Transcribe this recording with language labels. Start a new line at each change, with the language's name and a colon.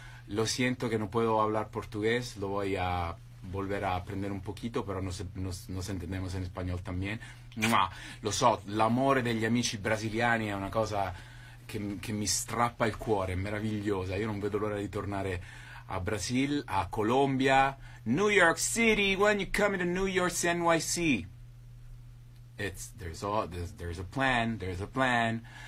Spanish: Lo siento
Italian: che
Spanish: non puedo hablar portugués, lo voy a volver a aprender un poquito, pero nos entendemos en español también.
Italian: Ma lo so, l'amore degli amici brasiliani è una cosa che mi strappa il cuore, è meravigliosa. Io non vedo l'ora di tornare a Brasil, a Colombia, New York City.
English: When you come to New York, NYC, there's a plan.